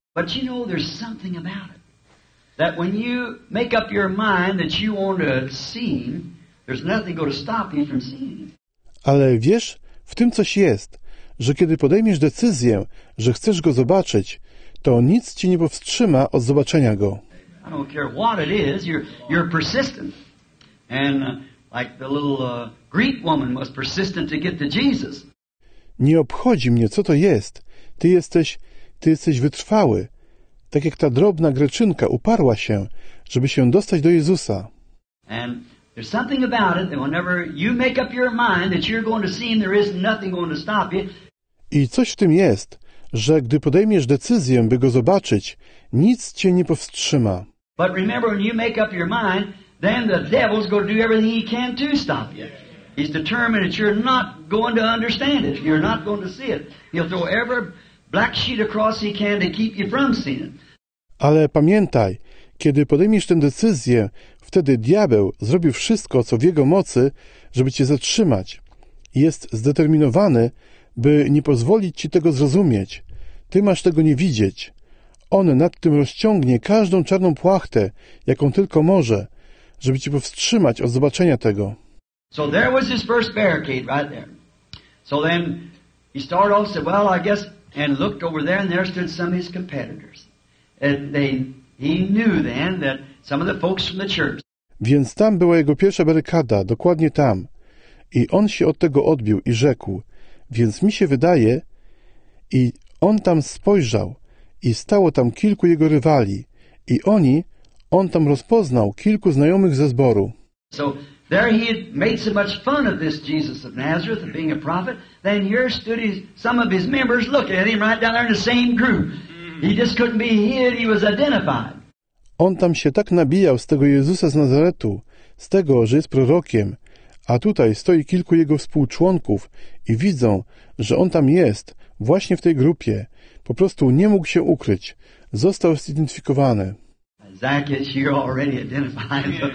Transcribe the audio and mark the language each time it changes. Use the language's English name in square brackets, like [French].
[English] But you know, there's something about it. That when you make up your mind that you want to see him, there's nothing going to stop you from seeing him. [Polish] Ale wiesz, w tym coś jest, że kiedy podejmiesz decyzję, że chcesz go zobaczyć, to nic ci nie powstrzyma od zobaczenia go. [English] I don't care what it is, you're persistent. And like the little Greek woman was persistent to get to Jesus. [Polish] Nie obchodzi mnie, co to jest. Ty jesteś, Ty jesteś wytrwały, tak jak ta drobna Greczynka uparła się, żeby się dostać do Jezusa. [English] And there's something about it that whenever you make up your mind that you're going to see him, there is nothing going to stop you. [Polish] I coś w tym jest, że gdy podejmiesz decyzję, by go zobaczyć, nic cię nie powstrzyma. [English] But remember, when you make up your mind, then the devil's going to do everything he can to stop you. He's determined that you're not going to understand it. You're not going to see it. He'll throw every black sheet across he can to keep you from seeing it. [Polish] Ale pamiętaj, kiedy podejmiesz tę decyzję, wtedy diabeł zrobi wszystko, co w jego mocy, żeby cię zatrzymać. Jest zdeterminowany, by nie pozwolić ci tego zrozumieć. Ty masz tego nie widzieć. On nad tym rozciągnie każdą czarną płachtę, jaką tylko może, żeby ci powstrzymać od zobaczenia tego. [English] So there was his first barricade right there. So then he started off and said, well, I guess, and looked over there and there stood some of his competitors. And he knew then that some of the folks from the church. [Polish] Więc tam była jego pierwsza barykada, dokładnie tam. I on się od tego odbił i rzekł, więc mi się wydaje, i on tam spojrzał, i stało tam kilku jego rywali, i oni, on tam rozpoznał kilku znajomych ze zboru. [English] So there he had made so much fun of this Jesus of Nazareth, of being a prophet, then here stood some of his members looking at him right down there in the same group. He just couldn't be hid, he was identified. [Polish] On tam się tak nabijał z tego Jezusa z Nazaretu, z tego, że jest prorokiem, a tutaj stoi kilku jego współczłonków i widzą, że on tam jest, właśnie w tej grupie. Po prostu nie mógł się ukryć. Został zidentyfikowany. [English] Zacchaeus, you're already identified.